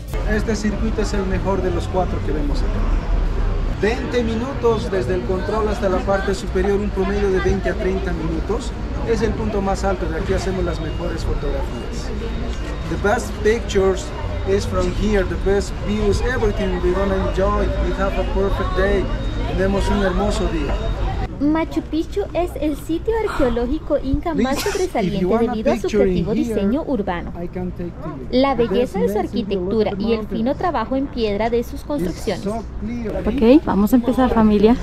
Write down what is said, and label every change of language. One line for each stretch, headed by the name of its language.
Spanish: Este circuito es el mejor de los cuatro que vemos acá. 20 minutos desde el control hasta la parte superior, un promedio de 20 a 30 minutos. Es el punto más alto, de aquí hacemos las mejores fotografías.
English: The best pictures is from here, the best views, everything we're gonna enjoy. We have a perfect day.
Spanish: Tenemos un hermoso día. Machu Picchu es el sitio arqueológico inca más sobresaliente debido a su creativo diseño urbano. La belleza de su arquitectura y el fino trabajo en piedra de sus construcciones. Ok, vamos a empezar, familia.